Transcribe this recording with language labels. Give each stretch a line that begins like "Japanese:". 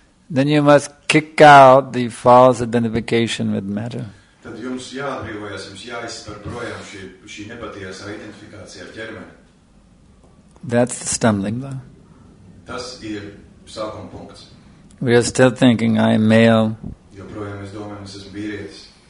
English: Then you must kick out the false identification with matter.
Latvian: Tad jums jāatbrīvojas, jums jāizspar projām šī nepatiesā identifikācija ar ķermeni.
English: That's the stumbling block.
Latvian: Tas ir sākuma punkts.
English: We are still thinking, I am male.
Latvian: Joprojām mēs domājam, es esmu vīrietis.